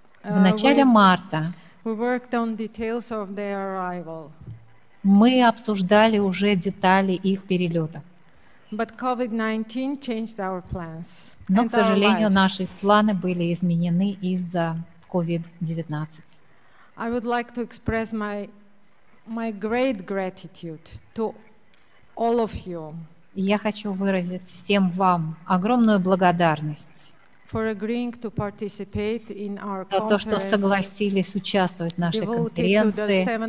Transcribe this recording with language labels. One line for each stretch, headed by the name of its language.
Russian: в начале марта
English: we worked on details of their arrival.
Russian: Мы обсуждали уже детали их перелета.
English: But COVID-19 changed our plans.
Russian: Но, к сожалению, наши планы были изменены из-за COVID-19.
English: I would like to express my great gratitude to all of you.
Russian: Я хочу выразить всем вам огромную благодарность
English: for agreeing to participate in our
Russian: за то, что согласились участвовать в нашей конференции.